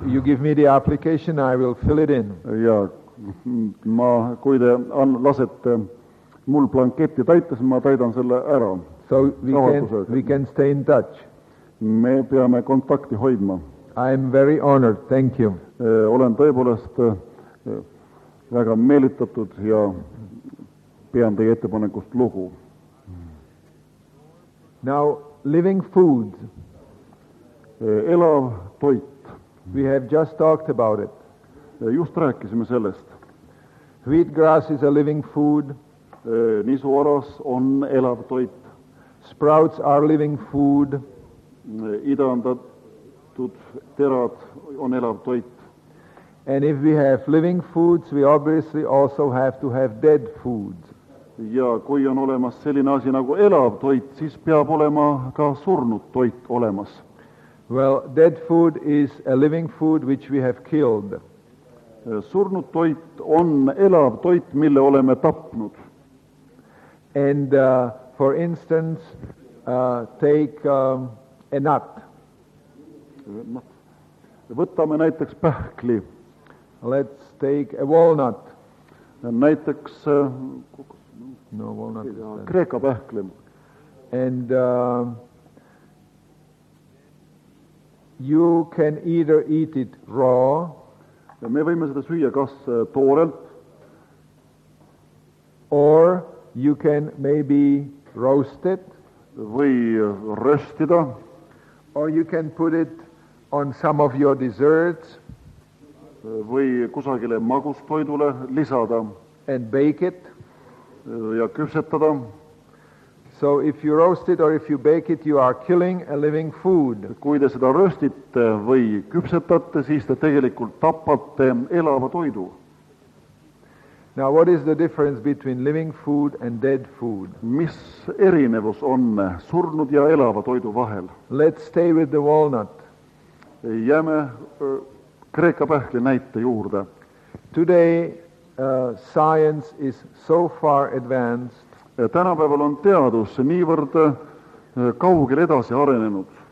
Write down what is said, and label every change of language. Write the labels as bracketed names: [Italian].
[English] You give me the application, I will fill it in. [Estonian] Ja ma, kui te lasete mul blanketi täita, siis ma täidan selle ära. [English] So we can stay in touch. [Estonian] Me peame kontakti hoidma. [English] I am very honored. Thank you. [Estonian] Olen tõepoolest väga meelitatud ja pean teie ettepanekust lugu. [English] Now, living food. [Estonian] Elav toit. [English] We have just talked about it. [Estonian] Just rääkisime sellest. [English] Wheatgrass is a living food. [Estonian] Nisuoras on elav toit. [English] Sprouts are living food. [Estonian] Idandatud terad on elav toit. [English] And if we have living foods, we obviously also have to have dead foods. [Estonian] Ja kui on olemas selline asi nagu elav toit, siis peab olema ka surnud toit olemas. [English] Well, dead food is a living food which we have killed. [Estonian] Surnud toit on elav toit, mille oleme tapnud. [English] And for instance, take a nut. [Estonian] Võtame näiteks pähkli. [English] Let's take a walnut. [Estonian] Näiteks [English] no, walnut. [Estonian] Kreeka pähkli. [English] And you can either eat it raw. [Estonian] Ja me võime seda süüa kas toorelt. [English] Or you can maybe roast it. [Estonian] Või röstida. [English] Or you can put it on some of your desserts. [Estonian] Või kusagile magustoidule lisada. [English] And bake it. [Estonian] Ja küpsetada. [English] So if you roast it or if you bake it, you are killing a living food. [Estonian] Kui te seda röstite või küpsetate, siis te tegelikult tapate elava toidu. [English] Now, what is the difference between living food and dead food? [Estonian] Mis erinevus on surnud ja elava toidu vahel? [English] Let's stay with the walnut. [Estonian] Jääme kreeka pähkli näite juurde. [English] Today, science is so far advanced. [Estonian] Tänapäeval on teadus niivõrd kaugel edasi arenenud.